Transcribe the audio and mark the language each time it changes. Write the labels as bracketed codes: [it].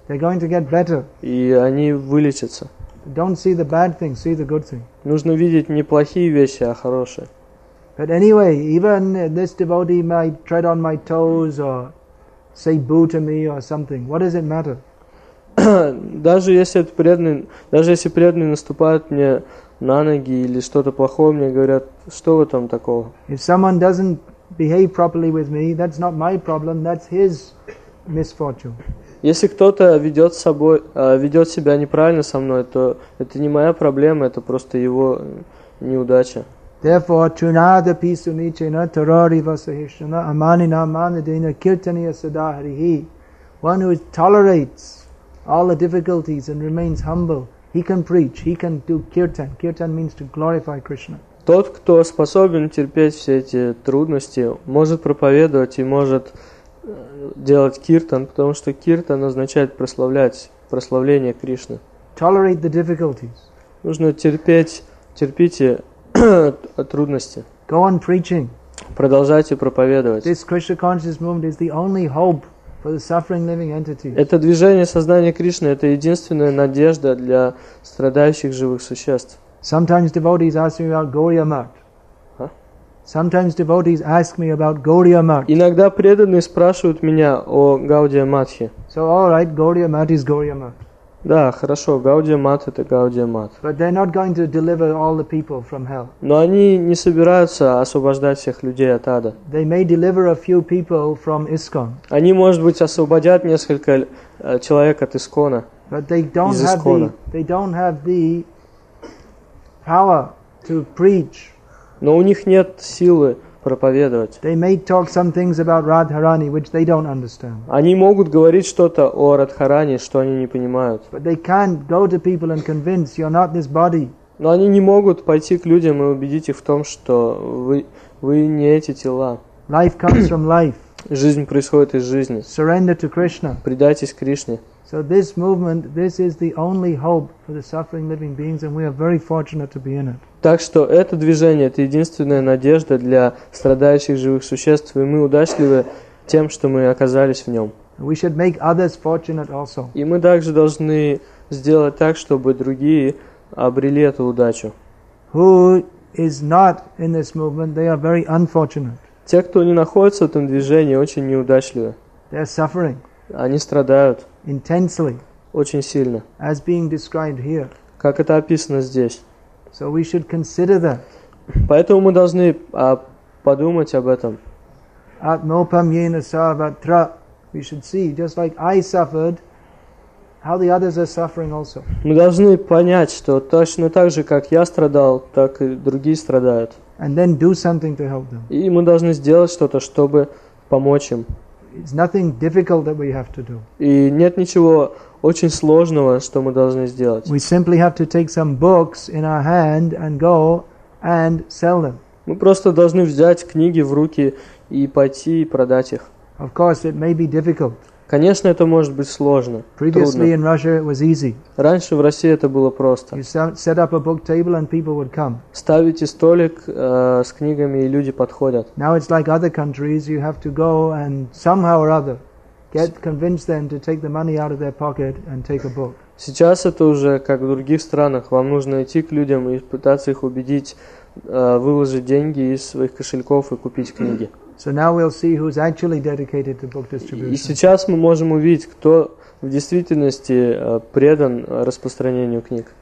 [en] They're going to get better. [ru] И они вылечатся. [en] Don't see the bad thing, see the good thing. [ru] Нужно видеть не плохие вещи, а хорошие. [en] But anyway, even this devotee might tread on my toes or say boo to me or something. What does it matter? [ru] Даже если преданные наступают мне на ноги или что-то плохое мне говорят, что в этом такого? [en] If someone doesn't behave properly with me, that's not my problem, that's his misfortune. [ru] Если кто-то ведет себя неправильно со мной, то это не моя проблема, это просто его неудача. [en] Therefore, [sa] chunada pisunice na tarari vasahishana amanina manadina kirtaniya sadaharihi. [en] One who tolerates all the difficulties and remains humble, he can preach, he can do kirtan. Kirtan means to glorify Krishna. [ru] Тот, кто способен терпеть все эти трудности, может проповедовать и может делать киртан, потому что киртан означает прославление Кришны. [en] Tolerate the difficulties. [ru] Нужно терпите трудности. [en] Go on preaching. [ru] Продолжайте проповедовать. [en] This Krishna conscious movement is the only hope for the suffering living entities. [ru] Это движение сознания Кришны это единственная надежда для страдающих живых существ. [en] Sometimes devotees ask me about Gaurya Math. Sometimes devotees ask me about Gaurya Math. [ru] Иногда преданные спрашивают меня о Гаудия Матхе. [en] So all right, Gaurya Math is Gaurya Math. [ru] Да, хорошо, Гаудия Мат это Гаудия Мат. [en] But they're not going to deliver all the people from hell. [ru] Но они не собираются освобождать всех людей от ада. [en] They may deliver a few people from ISKCON. [ru] Они, может быть, освободят несколько человек от ИСКОНа. [en] But they don't have the power to preach. [ru] Но у них нет силы проповедовать. [en] They may talk some things about Radharani, which they don't understand. [ru] Они могут говорить что-то о Радхарани, что они не понимают. [en] But they can't go to people and convince you're not this body. [ru] Но они не могут пойти к людям и убедить их в том, что вы не эти тела. [en] Life comes from life. [ru] Жизнь происходит из жизни. [en] Surrender to Krishna. [ru] Предайтесь Кришне. [en] So this movement, this is the only hope for the suffering living beings, and we are very fortunate to be in it. [ru] Так что это движение — это единственная надежда для страдающих живых существ, и мы удачливы тем, что мы оказались в нем. [en] We should make others fortunate also. [ru] И мы также должны сделать так, чтобы другие обрели эту удачу. [en] Who is not in this movement, they are very unfortunate. [ru] Те, кто не находится в этом движении, очень неудачливы. [en] They are suffering. [ru] Они страдают. [en] Intensely. [ru] Очень сильно. [en] As being described here. [ru] Как это описано здесь. [en] So we should consider that. [ru] Поэтому мы должны подумать об этом. [sa] Atmopam yena sarvatra. [en] We should see, just like I suffered, how the others are suffering also. [ru] Мы должны понять, что точно так же, как я страдал, так и другие страдают. [en] And then do something to help them. [ru] И мы должны сделать что-то, чтобы помочь им. [en] It's nothing difficult that we have to do. [ru] И нет ничего очень сложного, что мы должны сделать. [en] We simply have to take some books in our hand and go and sell them. [ru] Мы просто должны взять книги в руки и пойти и продать их. [en] Of course, it may be difficult. [ru] Конечно, это может быть сложно. [en] Previously [ru] трудно. [en] In Russia it was easy. [ru] Раньше в России это было просто. [en] You set up a book table and people would come. [ru] Ставите столик с книгами, и люди подходят. [en] Now it's like other countries, you have to go and somehow or other get convince them to take the money out of their pocket and take a book. [ru] Сейчас это уже как в других странах. Вам нужно идти к людям и пытаться их убедить выложить деньги из своих кошельков и купить книги. [en] So now we'll see who's actually dedicated to book distribution. [ru] И сейчас мы можем увидеть, кто в действительности предан распространению книг.